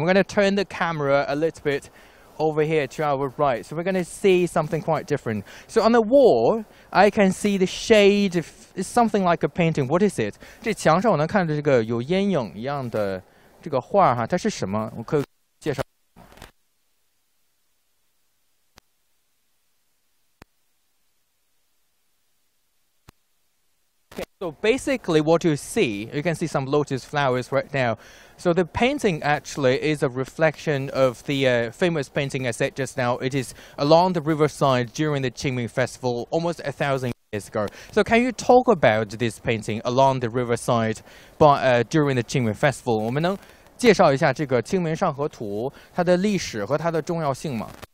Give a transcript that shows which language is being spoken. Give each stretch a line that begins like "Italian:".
English: We're going to turn the camera a little bit over here to our right. So we're going to see something quite different. So on the wall, I can see the shade. It's something like a painting. What is it?
Chinese: 这墙上我能看到这个有烟影一样的这个画哈，它是什么？我可。
English: So basically what you can see some lotus flowers right now. So the painting actually is a reflection of the famous painting I said just now. It is along the riverside during the Qingming Festival almost 1,000 years ago. So can you talk about this painting along the riverside but, during the Qingming Festival?
Chinese: 我们能介绍一下这个清明上河图它的历史和它的重要性吗?